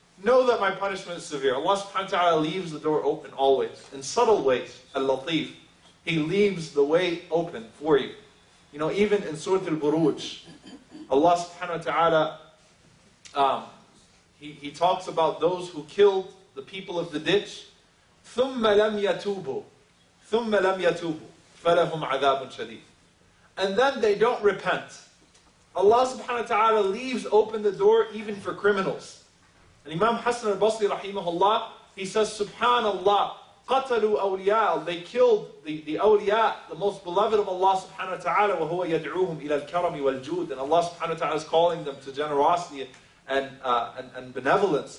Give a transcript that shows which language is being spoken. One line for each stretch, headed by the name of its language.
English: Know that my punishment is severe. Allah subhanahu wa ta'ala leaves the door open always, in subtle ways, al-latif. He leaves the way open for you. You know, even in Surah Al-Buruj, Allah subhanahu wa ta'ala, He talks about those who killed the people of the ditch.
Arabic: ثُمَّ لَمْ يَتُوبُوا ثُمَّ لَمْ يَتُوبُوا فَلَهُمْ عَذَابٌ شَدِيدٌ.
English: And then they don't repent. Allah subhanahu wa ta'ala leaves open the door even for criminals. And Imam Hassan al-Basri rahimahullah, he says, subhanallah,
Arabic: قَتَلُوا أَوْلِيَاء,
English: they killed the awliya, the most beloved of Allah subhanahu wa ta'ala,
Arabic: وَهُوَ يَدْعُوهُمْ إِلَى الْكَرَمِ وَالْجُودِ,
English: and Allah subhanahu wa ta'ala is calling them to generosity and benevolence.